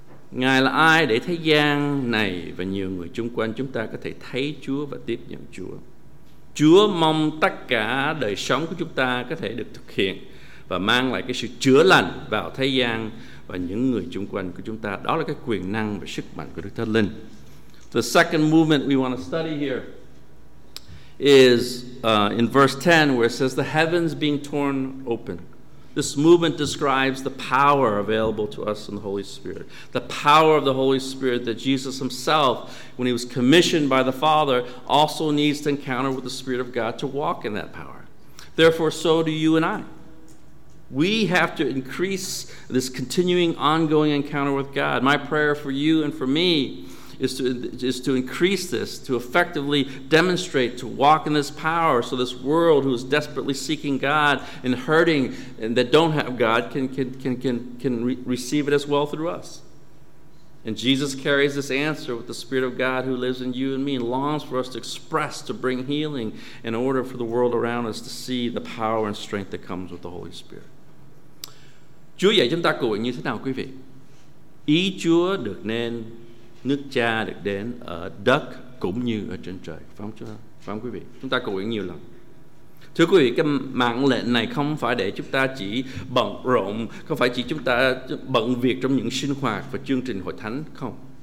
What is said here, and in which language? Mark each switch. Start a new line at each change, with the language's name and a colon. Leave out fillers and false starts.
Vietnamese: Ngài là ai để thế gian này và nhiều người chung quanh chúng ta có thể thấy Chúa và tiếp nhận Chúa? Chúa mong tất cả đời sống của chúng ta có thể được thực hiện và mang lại cái sự chữa lành vào thế gian và những người chung quanh của chúng ta. Đó là cái quyền năng và sức mạnh của Đức Thánh Linh.
English: The second movement we want to study here is in verse 10, where it says the heavens being torn open. This movement describes the power available to us in the Holy Spirit. The power of the Holy Spirit that Jesus himself, when he was commissioned by the Father, also needs to encounter with the Spirit of God to walk in that power. Therefore, so do you and I. We have to increase this continuing, ongoing encounter with God. My prayer for you and for me is to increase this, to effectively demonstrate, to walk in this power, so this world who is desperately seeking God and hurting and that don't have God can receive it as well through us. And Jesus carries this answer with the Spirit of God who lives in you and me and longs for us to express, to bring healing in order for the world around us to see the power and strength that comes with the Holy Spirit.
Vietnamese: Chúa dạy chúng ta cầu nguyện như thế nào, quý vị? Ý Chúa được nên, nước Cha được đến ở đất cũng như ở trên trời. Phải không quý vị? Chúng ta cầu nguyện nhiều lần. Thưa quý vị, cái mạng lệnh này không phải để chúng ta chỉ bận rộn, không phải chỉ chúng ta bận việc trong những sinh hoạt và chương trình hội thánh, không.